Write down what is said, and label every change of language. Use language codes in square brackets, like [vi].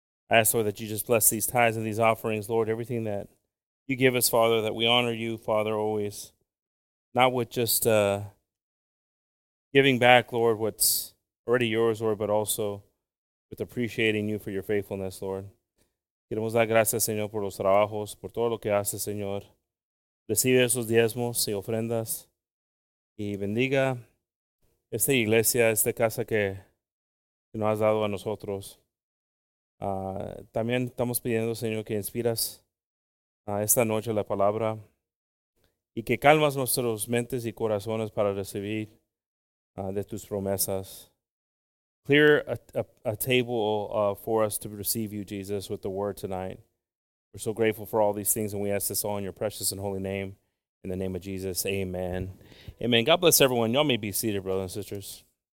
[en] I ask, Lord, that you just bless these tithes and these offerings, Lord, everything that you give us, Father, that we honor you, Father, always. Not with just giving back, Lord, what's already yours, Lord, but also with appreciating you for your faithfulness, Lord. [es] Queremos dar gracias, Señor, por los trabajos, por todo lo que haces, Señor. Recibe esos diezmos y ofrendas. Y bendiga esta iglesia, esta casa que nos has dado a nosotros. También estamos pidiendo, Señor, que inspiras esta noche la palabra. Y que calmas nuestras mentes y corazones para recibir de tus promesas. [en] Clear a table for us to receive you, Jesus, with the word tonight. We're so grateful for all these things, and we ask this all in your precious and holy name. In the name of Jesus, amen. Amen. God bless everyone. Y'all may be seated, brothers and sisters.